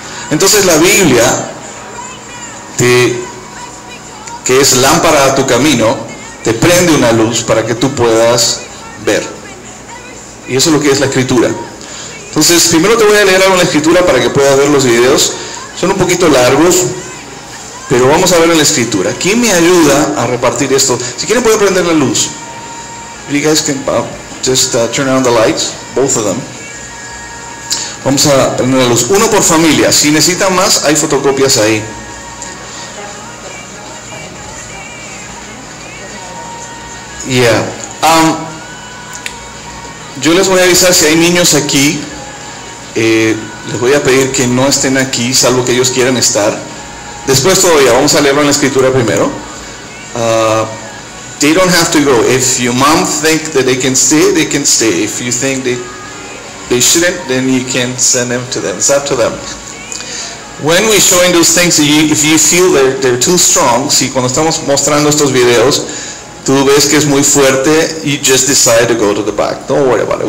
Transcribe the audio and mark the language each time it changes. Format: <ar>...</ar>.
<es>Entonces la Biblia, que es lámpara a tu camino, te prende una luz para que tú puedas ver. Y eso es lo que es la Escritura. Entonces, primero te voy a leer algo en la escritura para que puedas ver los videos. Son un poquito largos, pero vamos a ver en la escritura. ¿Quién me ayuda a repartir esto? Si quieren, puede prender la luz.</es> <en>You guys can just turn on the lights, both of them.</en> <es>Vamos a prender la luz. Uno por familia. Si necesitan más, hay fotocopias ahí. Yeah. Yo les voy a avisar si hay niños aquí. Les voy a pedir que no estén aquí, salvo que ellos quieran estar. Después todavía, vamos a leerlo en la escritura primero.</es> <en>They don't have to go. If your mom think that they can stay. If you think they shouldn't, then you can send them to them. It's up to them. When we showing those things, if you feel they're too strong,</en> <es>si cuando estamos mostrando estos videos, tú ves que es muy fuerte,</es> <en>you just decide to go to the back. Don't worry about it.</en>